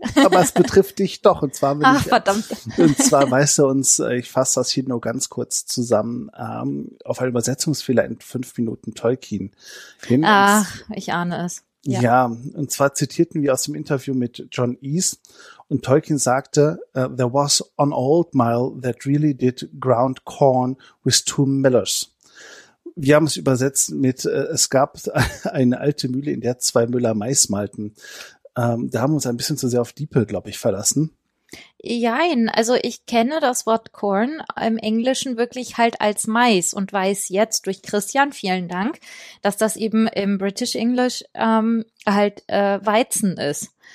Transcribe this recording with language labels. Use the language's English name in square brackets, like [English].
[German] Aber es betrifft dich doch. Und zwar will ich, verdammt. Und zwar weist er uns, ich fasse das hier nur ganz kurz zusammen, auf einen Übersetzungsfehler in 5 Minuten Tolkien hin. Ach, ich ahne es. Ja, und zwar zitierten wir aus dem Interview mit John Eese. Und Tolkien sagte, [English] there was an old mill that really did ground corn with 2 millers. [German] Wir haben es übersetzt mit, es gab eine alte Mühle, in der 2 Müller Mais malten. Da haben wir uns ein bisschen zu sehr auf Diepel, glaube ich, verlassen. Jein, also ich kenne das Wort Corn im Englischen wirklich halt als Mais und weiß jetzt durch Christian, vielen Dank, dass das eben im British English Weizen ist.